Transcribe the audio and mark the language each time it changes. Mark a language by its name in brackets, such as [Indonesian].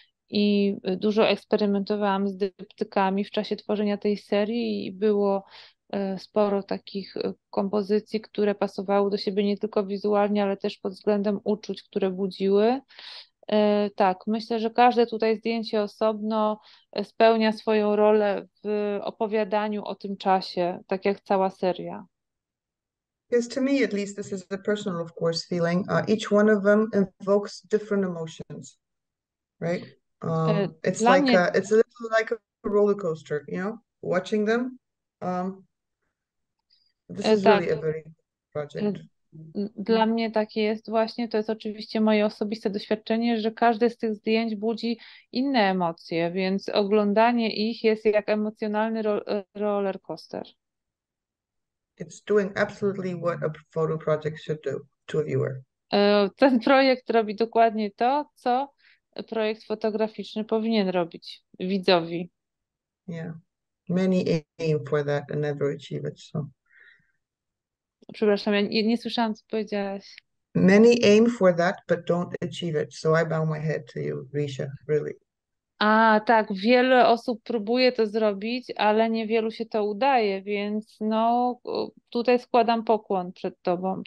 [Polish] I dużo eksperymentowałam z dyptykami w czasie tworzenia tej serii i było sporo takich kompozycji, które pasowały do siebie nie tylko wizualnie, ale też pod względem uczuć, które budziły. Tak, myślę, że każde tutaj zdjęcie osobno spełnia swoją rolę w opowiadaniu o tym czasie, tak jak cała seria. [English] Because to me, at least, this is the personal, of course, feeling. Each one of them invokes different emotions, right? It's [Polish] Dla [English] like [Polish] mnie... [English] it's a little like a roller coaster, you know, watching them. This is [Polish] Tak. [English] really a very project. [Polish] Dla mnie takie jest właśnie, to jest oczywiście moje osobiste doświadczenie, że każde z tych zdjęć budzi inne emocje, więc oglądanie ich jest jak emocjonalny roller coaster. [English] It's doing absolutely what a photo project should do to a viewer. [Polish] Ten projekt robi dokładnie to, co projekt fotograficzny powinien robić widzowi. [English] Yeah. Many aim for that and never achieve it, so. [Polish] Przepraszam, ja nie słyszałam, co powiedziałaś. [English] Many aim for that, but don't achieve it. So I bow my head to you, Risha, really. [Polish] A tak, wiele osób próbuje to zrobić, ale niewielu się to udaje, więc no tutaj składam pokłon przed tobą.